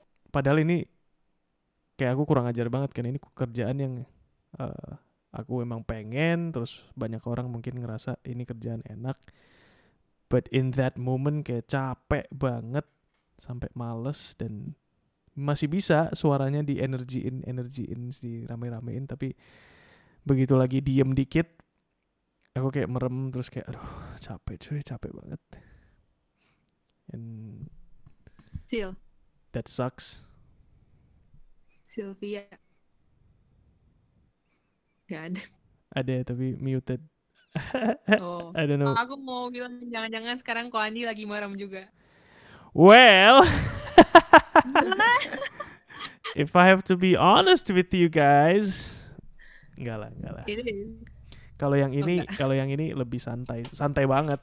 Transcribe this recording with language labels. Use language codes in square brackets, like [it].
[id] Padahal ini kayak aku kurang ajar banget kan. Ini kerjaan yang aku emang pengen, terus banyak orang mungkin ngerasa ini kerjaan enak, [en] but in that moment [id] kayak capek banget sampai males, dan masih bisa suaranya di energiin di rame-ramein, tapi begitu lagi diem dikit aku kayak merem, terus kayak aduh capek cuy, capek banget, and [en] feel that sucks Sylvia. [id] Ada tapi [en] muted. I don't know. [id] Aku mau bilang jangan-jangan sekarang Ko Andi lagi merem juga. [en] Well, if I have to be honest with you guys, [id] enggak lah. Kalau yang ini lebih santai banget.